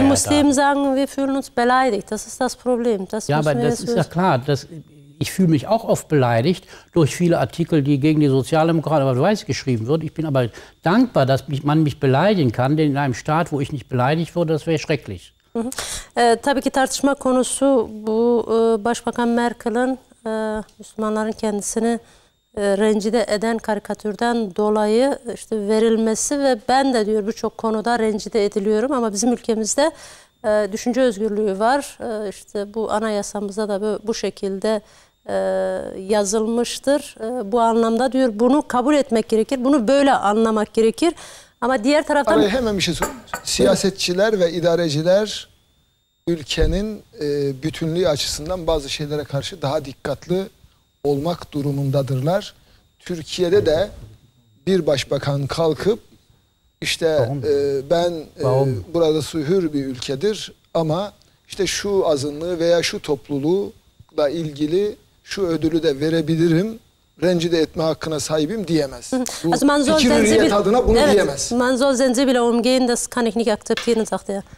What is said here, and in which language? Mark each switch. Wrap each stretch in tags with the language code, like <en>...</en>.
<de>Aber die Muslimen sagen, wir fühlen uns beleidigt, das ist das Problem. Das ja, aber das ist ja klar, dass ich fühle mich auch oft beleidigt durch viele Artikel, die gegen die Sozialdemokraten oder weiß geschrieben wird. Ich bin aber dankbar, dass man mich beleidigen kann, denn in einem Staat, wo ich nicht beleidigt würde, das wäre schrecklich.</de> <tr>Tabii ki tartışma konusu bu Başbakan Merkel'in Müslümanların kendisini rencide eden karikatürden dolayı işte verilmesi ve ben de diyor birçok konuda rencide ediliyorum ama bizim ülkemizde düşünce özgürlüğü var. İşte bu anayasamızda da bu şekilde yazılmıştır. Bu anlamda diyor bunu kabul etmek gerekir. Bunu böyle anlamak gerekir. Ama diğer taraftan... Araya hemen bir şey sorayım. Siyasetçiler ve idareciler ülkenin bütünlüğü açısından bazı şeylere karşı daha dikkatli olmak durumundadırlar. Türkiye'de de bir başbakan kalkıp İşte ben burada hür bir ülkedir ama işte şu azınlığı veya şu toplulukla ilgili şu ödülü de verebilirim, rencide etme hakkına sahibim diyemez.</tr> <de>Also man soll</de> <tr>Zenzibil, adına bunu evet, diyemez.</tr> <de>Man soll sensibel umgehen, das kann ich nicht akzeptieren, sagt er.</de>